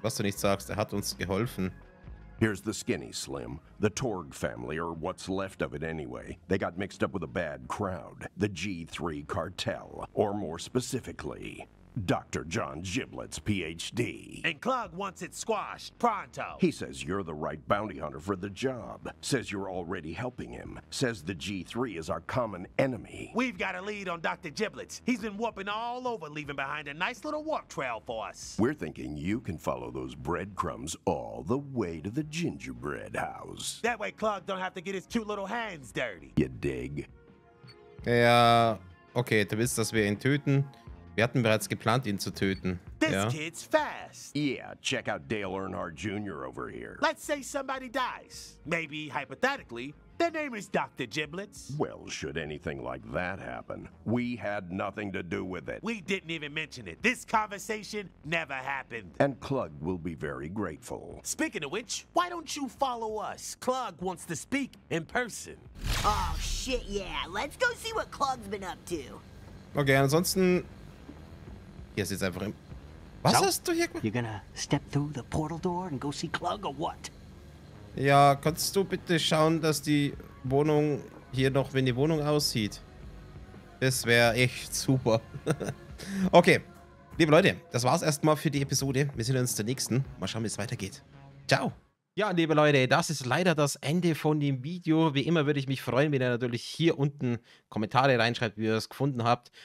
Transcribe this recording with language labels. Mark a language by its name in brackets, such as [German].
[German] Was du nicht sagst, er hat uns geholfen. [English] Here's the skinny Slim. The Torg family, or what's left of it anyway. They got mixed up with a bad crowd. The G3 Kartell. Or more specifically, Dr. John Giblet's PhD. And Clug wants it squashed, pronto. He says you're the right bounty hunter for the job. Says you're already helping him. Says the G3 is our common enemy. We've got a lead on Dr. Giblet. He's been whooping all over, leaving behind a nice little warp trail for us. We're thinking you can follow those breadcrumbs all the way to the gingerbread house. That way Clug don't have to get his cute little hands dirty. You dig? [German] Hey, okay, du willst, dass wir ihn töten? Wir hatten bereits geplant, ihn zu töten. [English] This [German] ja. [English] Kid's fast. Yeah, check out Dale Earnhardt Jr. over here. Let's say somebody dies. Maybe, hypothetically, their name is Dr. Giblets. Well, should anything like that happen, we had nothing to do with it. We didn't even mention it. This conversation never happened. And Clug will be very grateful. Speaking of which, why don't you follow us? Clug wants to speak in person. Oh, shit, yeah. Let's go see what Clug's been up to. [German] Okay, ansonsten... Hier ist jetzt einfach im... Was hast du hier gemacht? [English] You're gonna step through the portal door and go see Clug or what? [German] Ja, kannst du bitte schauen, dass die Wohnung hier noch, wenn die Wohnung aussieht? Das wäre echt super. Okay. Liebe Leute, das war's erstmal für die Episode. Wir sehen uns zur nächsten. Mal schauen, wie es weitergeht. Ciao. Ja, liebe Leute, das ist leider das Ende von dem Video. Wie immer würde ich mich freuen, wenn ihr natürlich hier unten Kommentare reinschreibt, wie ihr es gefunden habt.